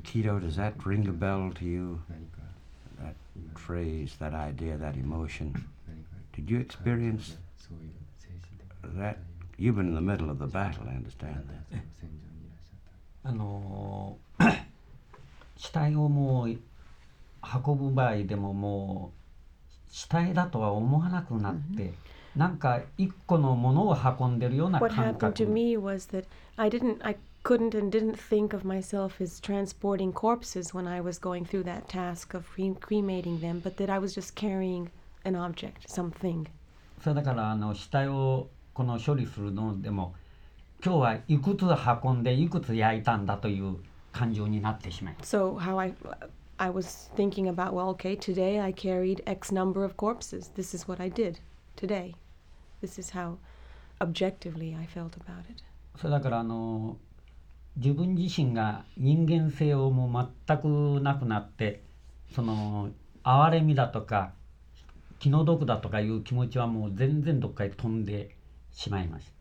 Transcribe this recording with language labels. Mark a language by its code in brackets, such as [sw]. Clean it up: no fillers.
[en] Kido, does that ring a bell to you? That phrase, that idea, that emotion. Did you experience that? You've been in the middle of the battle, I understand that. [ja] あの、死体をもう運ぶ場合でももう死体だとは思わなくなって。なんか一個のものを運んでるような感覚。 [en] What happened to me was that I couldn't and didn't think of myself as transporting corpses when I was going through that task of cremating them, but that I was just carrying an object, something. [ja] それだからあの死体をこの処理するのでも、今日はいくつ運んでいくつ焼いたんだという感情になってしまう。 [en] So how I was thinking about, well, okay, today I carried X number of corpses. This is what I did. Today, this is how objectively I felt about it. [ja] So, だからあの自分自身が人間性をもう全くなくなって、その哀れみだとか気の毒だとかいう気持ちはもう全然どっかへ飛んでしまいます。